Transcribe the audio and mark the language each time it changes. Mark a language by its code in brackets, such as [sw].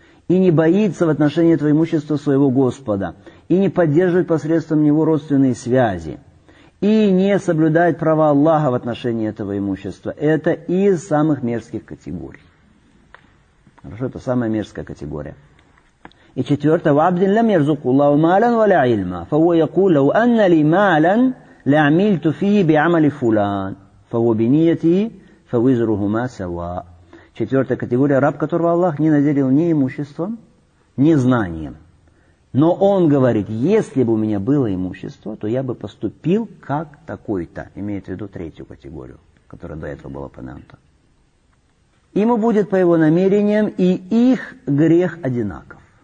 [ru] И не боится в отношении этого имущества своего Господа. И не поддерживает посредством него родственные связи. И не соблюдает права Аллаха в отношении этого имущества. Это из самых мерзких категорий. Хорошо, это самая мерзкая категория. И четвертое, [ar] وَعَبْدٍ لَمْ يَرْزُقُ اللَّهُ مَالًا وَلَا عِلْمًا فَهُوَ يَقُولُ لَوْ أَنَّ لِي مَالًا لَعَمِلْتُ فِيهِ بِعَمَلِ فُلَانٍ فَهُوَ بِنِيَّتِهِ فَوِزْرُهُمَا سَوَاءٌ. [ru] Четвертая категория, раб, которого Аллах не наделил ни имуществом, ни знанием. Но он говорит, если бы у меня было имущество, то я бы поступил как такой-то, имеет в виду третью категорию, которая до этого была упомянута. Ему будет по его намерениям, и их грех одинаков.